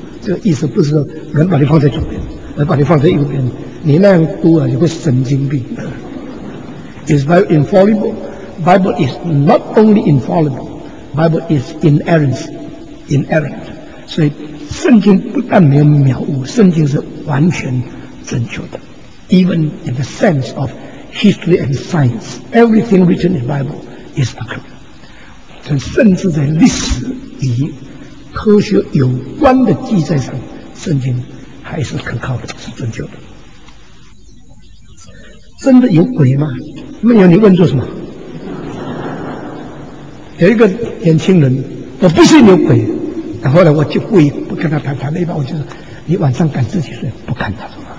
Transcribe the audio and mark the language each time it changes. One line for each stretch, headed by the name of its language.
Chinese: 这个意思不是说人把你放在左边，人把你放在右边，你那样读啊，你会神经病。
English: Is Bible infallible? Bible is not only infallible, Bible is inerrant.
Chinese: 所以圣经不但没有谬误，圣经是完全正确的。
English: Even in the sense of history and science, everything written in the Bible is accurate。
Chinese: 甚至在历史以科学有关的记载上，圣经还是可靠的，是正确的。真的有鬼吗？没有，你问做什么？有一个年轻人，我不信有鬼，然后呢，我就故意不跟他谈，谈了一半，我就说，你晚上敢自己睡？不敢，他说。